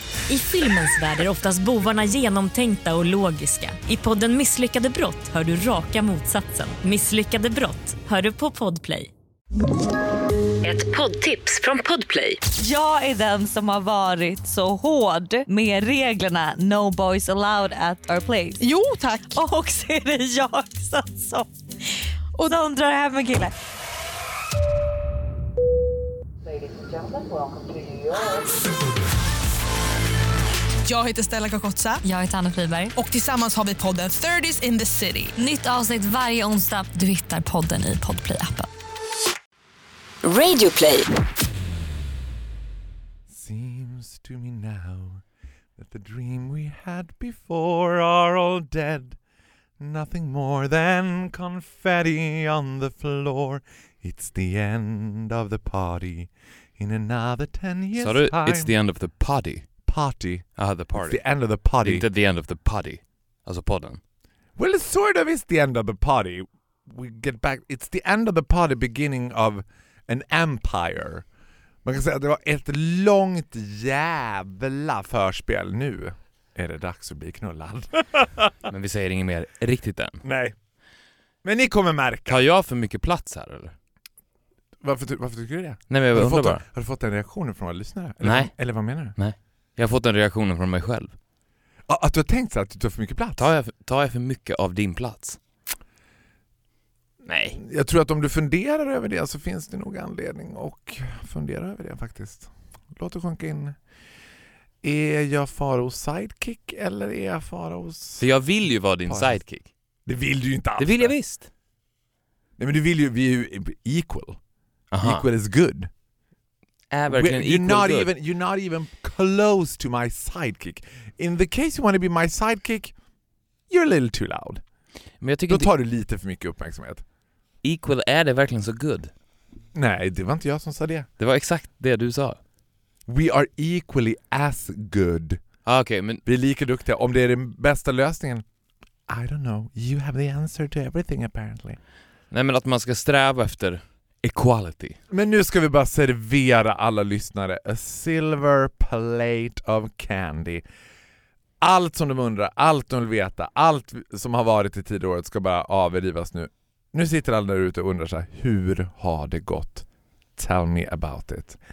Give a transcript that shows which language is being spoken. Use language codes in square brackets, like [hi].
[sv] I filmens värld är oftast bovarna genomtänkta och logiska. I podden Misslyckade brott hör du raka motsatsen. Misslyckade brott hör du på Podplay. Ett poddtips från Podplay. Jag är den som har varit så hård med reglerna. [en] No boys allowed at our place. [sv] Jo, tack. Och så är det jag som och de drar hem en kille. Jag heter Stella Kakotsa. Jag heter Anna Friberg. Och tillsammans har vi podden 30s in the city. Nytt avsnitt varje onsdag. Du hittar podden i Podplay-appen. Radio Play. [en] Seems to me now that the dream we had before are all dead. Nothing more than confetti on the floor. It's the end of the party. In another 10 years. Sorry, time. It's the end of the party. Party. Ah, the party. It's the end of the party. It's the end of the party. As a pardon. Well, it sort of is the end of the party. We get back. It's the end of the party, beginning of an empire. [sv] Man kan säga att det var ett långt jävla förspel. Nu är det dags att bli knullad. Men vi säger inget mer riktigt än. Nej. Men ni kommer märka. Har jag för mycket plats här eller? Varför tycker du det? Nej, men jag undrar bara. Har du fått en reaktion från våra lyssnare? Nej. Eller vad menar du? Nej. Jag har fått en reaktion från mig själv. Att du har tänkt så att du tar för mycket plats? Tar jag för mycket av din plats? Nej. Jag tror att om du funderar över det så finns det nog anledning att fundera över det faktiskt. Låt det sjunka in. Är jag Faros sidekick eller är jag Faros... För jag vill ju vara din sidekick. Det vill du ju inte alls. Det vill jag visst. Nej, men du vill ju... Vi är ju equal. Aha. [en] Equal is good. You're not even close to my sidekick. In the case you want to be my sidekick, you're a little too loud. [sv] Men jag tycker då tar du lite för mycket uppmärksamhet. Equal, är det verkligen så good? Nej, det var inte jag som sa det. Det var exakt det du sa. [en] We are equally as good. [sv] Okay, men vi är lika duktiga. Om det är den bästa lösningen, [en] I don't know. You have the answer to everything apparently. [sv] Nej, men att man ska sträva efter equality. Men nu ska vi bara servera alla lyssnare [en] a silver plate of candy. [sv] Allt som de undrar, allt de vill veta, allt som har varit i tidigare året ska bara avrivas nu. Nu sitter alla där ute och undrar så här, hur har det gått? [en] Tell me about it.